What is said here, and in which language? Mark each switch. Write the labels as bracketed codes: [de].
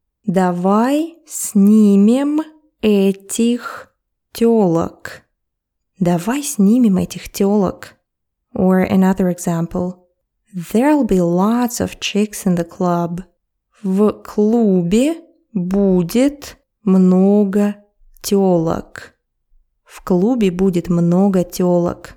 [ru] Давай снимем этих тёлок. Давай снимем этих тёлок. [en] Or another example. There'll be lots of chicks in the club. [ru] В клубе будет много тёлок. В клубе будет много тёлок.